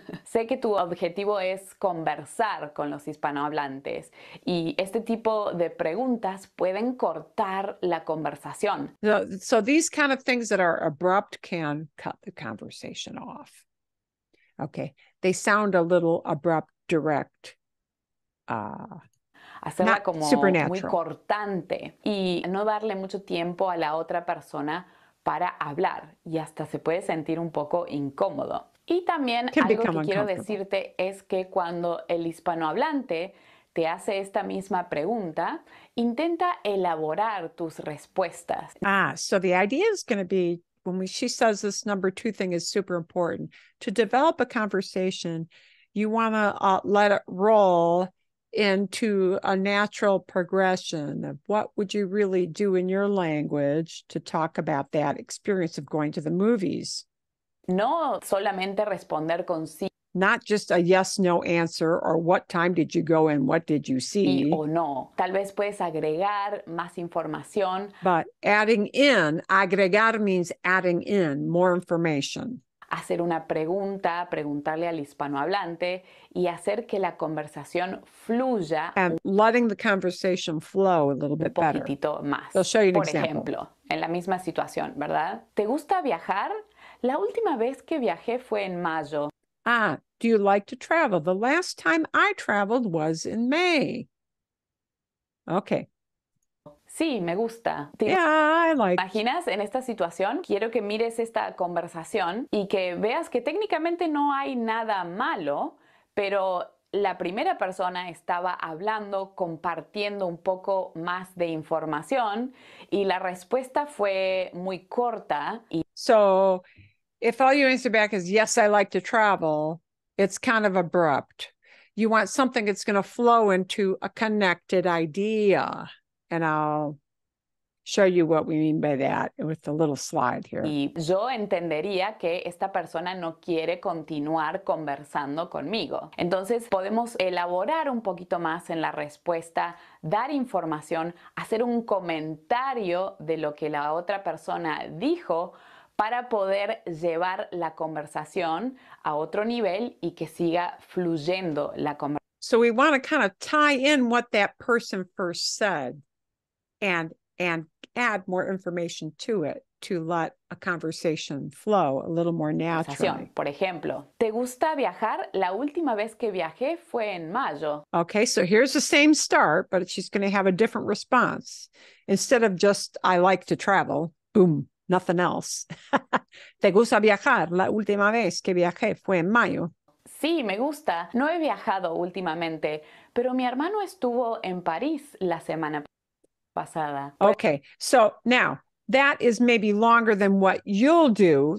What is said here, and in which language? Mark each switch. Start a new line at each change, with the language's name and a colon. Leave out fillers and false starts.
Spanish: Sé que tu objetivo es conversar con los hispanohablantes y este tipo de preguntas pueden cortar la conversación.
English: So these kind of things that are abrupt can cut the conversation off. Okay. They sound a little abrupt, direct.
Spanish: Hacerla
English: not
Spanish: como
English: supernatural.
Spanish: Muy cortante y no darle mucho tiempo a la otra persona para hablar y hasta se puede sentir un poco incómodo. Y también algo que quiero decirte es que cuando el hispanohablante te hace esta misma pregunta, intenta elaborar tus respuestas.
English: So the idea is going to be when she says this number two thing is super important to develop a conversation, you want to let it roll into a natural progression of what would you really do in your language to talk about that experience of going to the movies.
Spanish: No solamente responder con sí.
English: Not just a yes, no answer or what time did you go and what did you see.
Spanish: Sí o no. Tal vez puedes agregar más información.
English: But adding in, agregar means adding in more information.
Spanish: Hacer una pregunta, preguntarle al hispanohablante y hacer que la conversación fluya.
English: And letting the conversation flow a little bit better.
Spanish: Un poquitito más.
English: I'll show you an
Spanish: example. Por ejemplo, en la misma situación, ¿verdad? ¿Te gusta viajar? La última vez que viajé fue en mayo.
English: Do you like to travel? The last time I traveled was in May. Okay.
Spanish: Sí, me gusta. ¿Te imaginas en esta situación? Quiero que mires esta conversación y que veas que técnicamente no hay nada malo, pero la primera persona estaba hablando, compartiendo un poco más de información y la respuesta fue muy corta. Y
English: so, if all you answer back is, yes, I like to travel, it's kind of abrupt. You want something that's going to flow into a connected idea. And I'll show you what we mean by that with the little slide here.
Spanish: Y yo entendería que esta persona no quiere continuar conversando conmigo. Entonces, podemos elaborar un poquito más en la respuesta, dar información, hacer un comentario de lo que la otra persona dijo para poder llevar la conversación a otro nivel y que siga fluyendo la conversación.
English: So we want to kind of tie in what that person first said and add more information to it to let a conversation flow a little more naturally.
Spanish: Por ejemplo, ¿te gusta viajar? La última vez que viajé fue en mayo.
English: Okay, so here's the same start, but she's going to have a different response. Instead of just, I like to travel, boom, nothing else.
Spanish: ¿Te gusta viajar? La última vez que viajé fue en mayo. Sí, me gusta. No he viajado últimamente, pero mi hermano estuvo en París la semana pasada.
English: Okay, so now, that is maybe longer than what you'll do.